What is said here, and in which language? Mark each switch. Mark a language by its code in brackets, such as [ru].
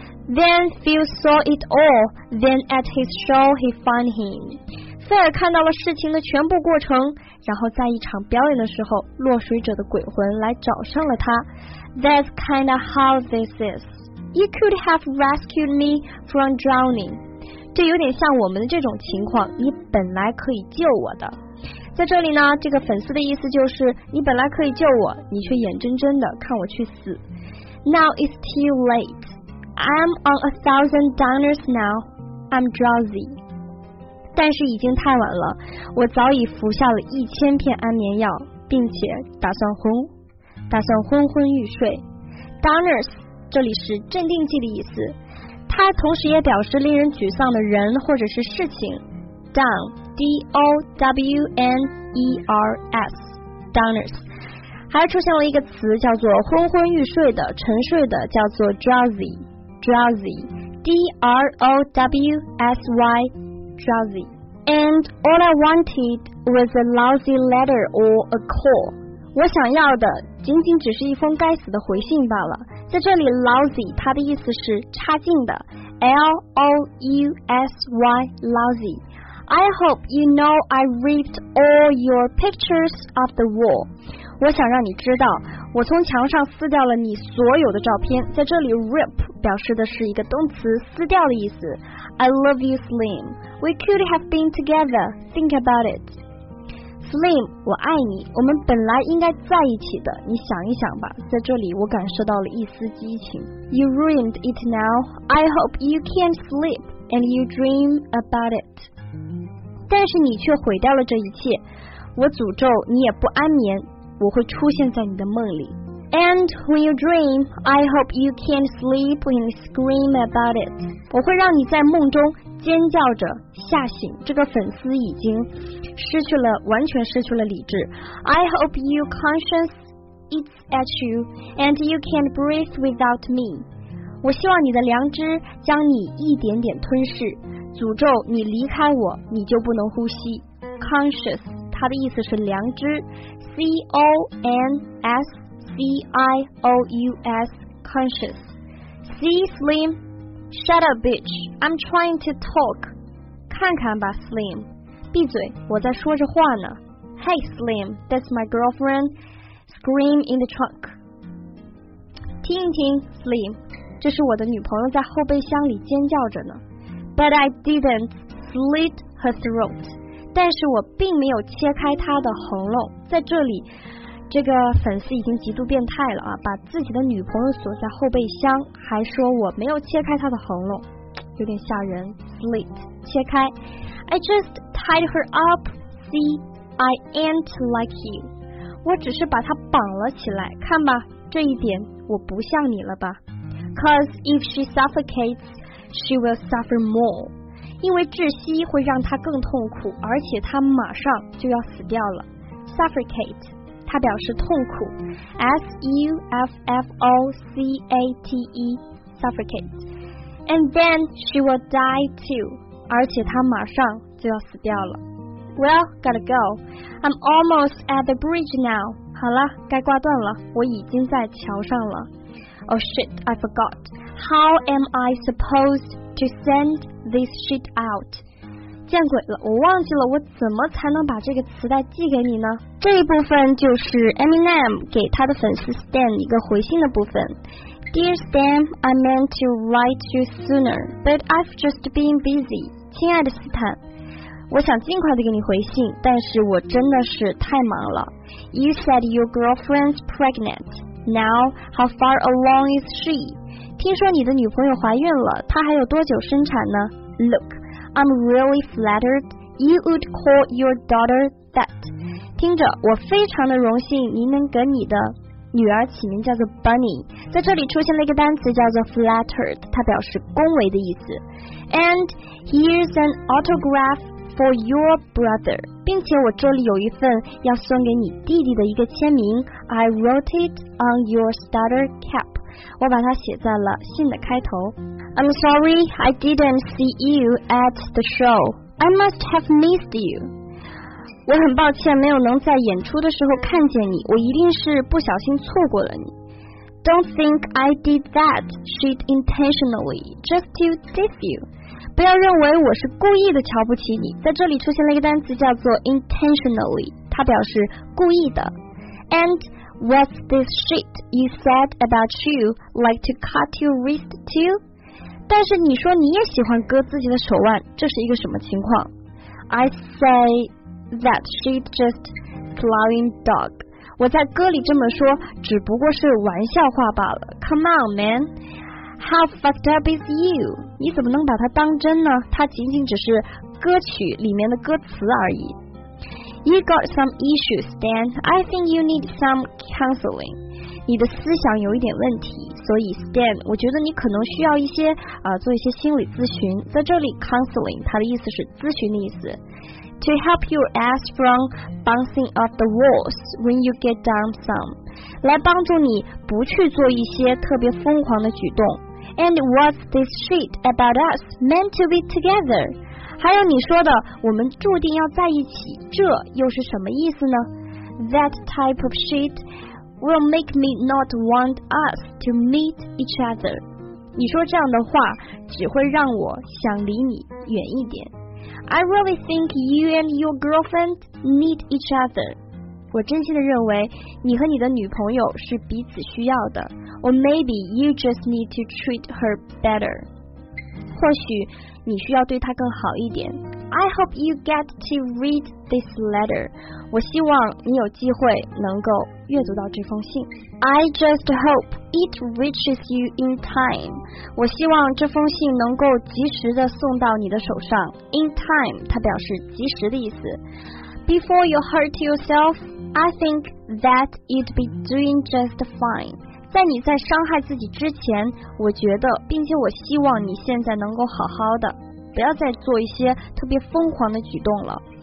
[en] Then Phil saw it all. Then at his show he found him. [zh] 菲尔看到了事情的全部过程，然后在一场表演的时候，落水者的鬼魂来找上了他。 [en] That's kind of how this is. You could have rescued me from drowning. [zh] 这有点像我们的这种情况，你本来可以救我的。在这里呢，这个粉丝的意思就是，你本来可以救我，你却眼睁睁的看我去死。 [en] Now it's too late. I'm on 1,000 downers now. I'm drowsy. [zh] 但是已经太晚了，我早已服下了1000片安眠药，并且打算昏昏欲睡。 Downers 这里是镇定剂的意思，它同时也表示令人沮丧的人或者是事情。 Down, D-O-W-N-E-R-S, Downers 还出现了一个词叫做昏昏欲睡的、沉睡的，叫做 drowsy, drowsy, D-R-O-W-S-Y. [en] Drowsy. And all I wanted was a lousy letter or a call. [zh] 我想要的仅仅只是一封该死的回信罢了。在这里 lousy 它的意思是差劲的， L-O-U-S-Y, lousy. [en] I hope you know I ripped all your pictures off the wall. [zh] 我想让你知道我从墙上撕掉了你所有的照片。在这里 rip 表示的是一个动词，撕掉的意思。 [en] I love you, Slim. We could have been together. Think about it. [zh] Slim, 我爱你，我们本来应该在一起的，你想一想吧。在这里我感受到了一丝激情。 [en] You ruined it now. I hope you can't sleep and you dream about it. [zh] 但是你却毁掉了这一切，我诅咒你也不安眠，我会出现在你的梦里。 [en] And when you dream, I hope you can't sleep and scream about it. [zh] 我会让你在梦中尖叫着吓醒。这个粉丝已经失去了，完全失去了理智。 [en] I hope your conscience eats at you and you can't breathe without me. [zh] 我希望你的良知将你一点点吞噬，诅咒你离开我，你就不能呼吸。 Conscious 它的意思是良知，C-O-N-S-C-I-O-U-S, conscious. [en] See, Slim? Shut up, bitch. I'm trying to talk. [zh] 看看吧 Slim. 闭嘴，我在说着话呢。 [en] Hey, Slim, that's my girlfriend. Scream in the trunk. [zh] 听一听 Slim, 这是我的女朋友在后备箱里尖叫着呢。 [en] But I didn't slit her throat. [zh] 但是我并没有切开他的喉咙。在这里这个粉丝已经极度变态了啊，把自己的女朋友锁在后备箱，还说我没有切开他的喉咙，有点吓人。 [en] Slit 切开。I just tied her up. See, I ain't like you. [zh] 我只是把她绑了起来，看吧，这一点我不像你了吧。 [en] Cause if she suffocates, she will suffer more. [zh] 因为窒息会让他更痛苦，而且他马上就要死掉了。 Suffocate 它表示痛苦， S-U-F-F-O-C-A-T-E, Suffocate. [en] And then she will die too. [zh] 而且他马上就要死掉了。 [en] Well, gotta go. I'm almost at the bridge now. [zh] 好了，该挂断了，我已经在桥上了。 [en] Oh shit, I forgot. How am I supposed to sendthis shit out. [zh] 见鬼了，我忘记了我怎么才能把这个磁带寄给你呢。这一部分就是 Eminem 给他的粉丝 Stan 一个回信的部分。 [en] Dear Stan, I meant to write you sooner, but I've just been busy. [zh] 亲爱的斯坦，我想尽快的给你回信，但是我真的是太忙了。 [en] You said your girlfriend's pregnant. Now, how far along is she? [zh] 听说你的女朋友怀孕了，她还有多久生产呢？ [en] Look, I'm really flattered You would call your daughter that. [zh] 听着，我非常的荣幸您能给你的女儿起名叫做 Bunny。在这里出现了一个单词叫做 flattered， 它表示恭维的意思。 [en] And here's an autograph for your brother， [zh] 并且我这里有一份要送给你弟弟的一个签名。 [en] I wrote it on your starter cap， [zh] 我把它写在了信的开头。 [en] I'm sorry I didn't see you at the show， I must have missed you。 [zh] 我很抱歉没有能在演出的时候看见你，我一定是不小心错过了你。 [en] Don't think I did that shit intentionally just to diss you， [zh] 不要认为我是故意的瞧不起你。在这里出现了一个单词叫做 intentionally， 它表示故意的。 [en] And what's this shit you said about you like to cut your wrist too， [zh] 但是你说你也喜欢割自己的手腕，这是一个什么情况。 [en] I sayThat she's just clawing dog， [zh] 我在歌里这么说只不过是玩笑话罢了。 [en] Come on man， How fucked up is you， [zh] 你怎么能把它当真呢？它仅仅只是歌曲里面的歌词而已。 [en] You got some issues Dan， I think you need some counseling， [zh] 你的思想有一点问题，所以 Stan 我觉得你可能需要一些做一些心理咨询。在这里 counseling 它的意思是咨询的意思。 [en] To help your ass from bouncing off the walls when you get down some， [zh] 来帮助你不去做一些特别疯狂的举动。 [en] And what's this shit about us meant to be together， [zh] 还有你说的我们注定要在一起，这又是什么意思呢？ [en] That type of shit will make me not want us to meet each other， [zh] 你说这样的话只会让我想离你远一点。 [en] I really think you and your girlfriend need each other， [zh] 我真心的认为你和你的女朋友是彼此需要的。 [en] Or maybe you just need to treat her better， [zh] 或许你需要对她更好一点。 [en] I hope you get to read this letter， [zh] 我希望你有机会能够阅读到这封信。 [en] I just hope it reaches you in time， [zh] 我希望这封信能够及时的送到你的手上。 In time 它表示及时的意思。 [en] Before you hurt yourself I think that you'd be doing just fine， [zh] 在你在伤害自己之前，我觉得并且我希望你现在能够好好的，不要再做一些特别疯狂的举动了。